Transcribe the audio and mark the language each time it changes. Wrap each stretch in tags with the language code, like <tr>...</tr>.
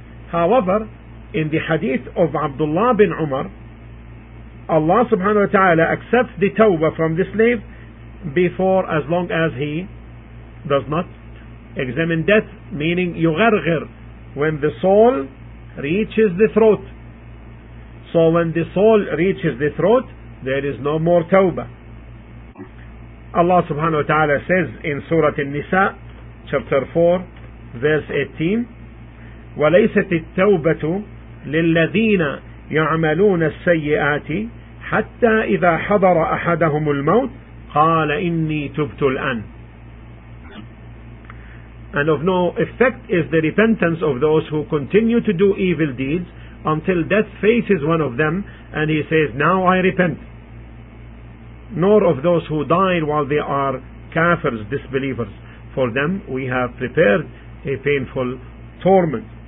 <en>However, in the hadith of Abdullah bin Umar, Allah subhanahu wa ta'ala accepts the tawbah from the slave before, as long as he does not examine death, meaning yugharghir, when the soul reaches the throat. So when the soul reaches the throat, there is no more tawbah. Allah subhanahu wa ta'ala says in Surah An-Nisa, chapter 4, verse 18,</en> <ar>وَلَيْسَتِ التَّوْبَةُ لِلَّذِينَ يَعْمَلُونَ السَّيِّئَاتِ حَتَّى إِذَا حَضَرَ أَحَدَهُمُ الْمَوْتِ قَالَ إِنِّي تُبْتُ الْآنِ.</ar> <en>And of no effect is the repentance of those who continue to do evil deeds until death faces one of them and he says, now I repent. Nor of those who died while they are kafirs, disbelievers. For them we have prepared a painful torment.</en>